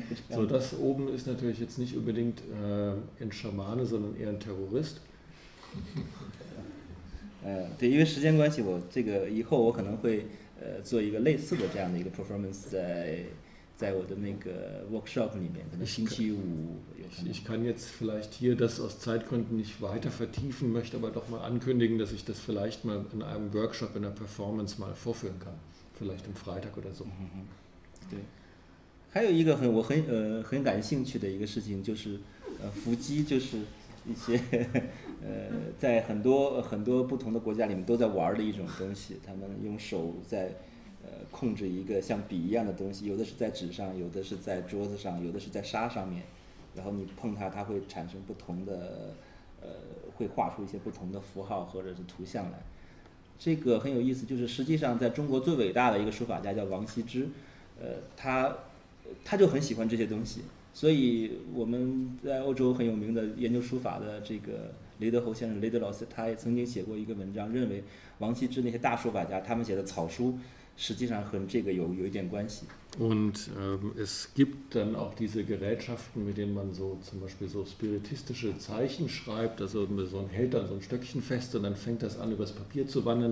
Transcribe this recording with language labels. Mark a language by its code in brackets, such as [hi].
[de] So, das oben ist natürlich jetzt nicht unbedingt ein Schamane, sondern eher ein Terrorist. [zh] 对，因为时间关系，我这个以后我可能会做一个类似的这样的一个 performance， 在我的那个 workshop 里面，可能星期五。 [de] Ich kann jetzt vielleicht hier das aus Zeitgründen nicht weiter vertiefen, möchte aber doch mal ankündigen, dass ich das vielleicht mal in einem Workshop in der Performance mal vorführen kann, vielleicht am Freitag oder so. [zh] 对，还有一个我很感兴趣的一个事情就是伏击，就是。一些在很多不同的国家里面都在玩的一种东西，他们用手在控制一个像笔一样的东西，有的是在纸上，有的是在桌子上，有的是在沙上面，然后你碰它，它会产生不同的会画出一些不同的符号或者是图像来。这个很有意思，就是实际上在中国最伟大的一个书法家叫王羲之，他就很喜欢这些东西。所以我们在欧洲很有名的研究书法的这个雷德侯先生，雷德老师，他也曾经写过一个文章，认为王羲之那些大书法家他们写的草书实际上和这个有一点关系。 [de] Und es gibt dann auch diese Gerätschaften, mit denen man so zum Beispiel so spiritistische Zeichen schreibt, also so ein hält dann so ein Stöckchen fest und dann fängt das an, übers Papier zu wandern.